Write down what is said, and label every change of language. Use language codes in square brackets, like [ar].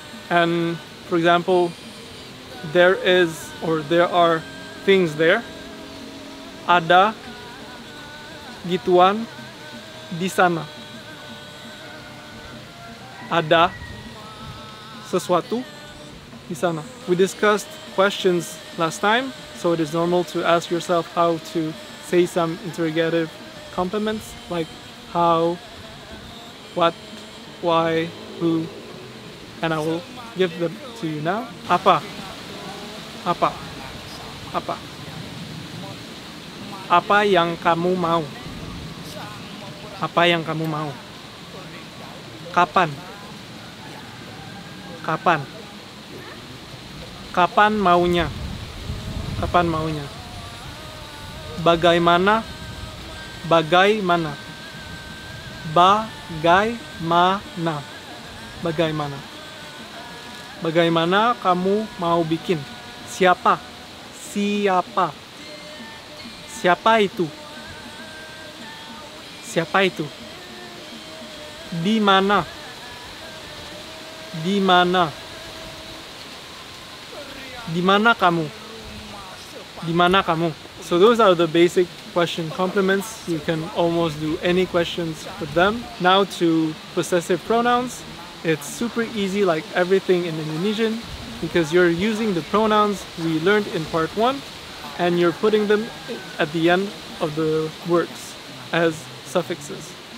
[en] And for example, there is or there are things there, [id] ada gituan di sana, ada sesuatu di sana. [en] We discussed questions last time, so it is normal to ask yourself how to say some interrogative compliments like how, what, why, who, and I will give them to you now. [id] Apa, apa, apa, apa yang kamu mau, apa yang kamu mau, kapan, kapan, kapan maunya, kapan maunya, bagaimana, bagaimana, bagaimana, bagaimana, bagaimana kamu mau bikin, siapa, siapa, siapa itu, siapa itu, di mana, di mana, di mana kamu, di mana kamu. [en] So those are the basic question complements. You can almost do any questions with them. Now to possessive pronouns. It's super easy, like everything in Indonesian, because you're using the pronouns we learned in part 1 and you're putting them at the end of the words as suffixes.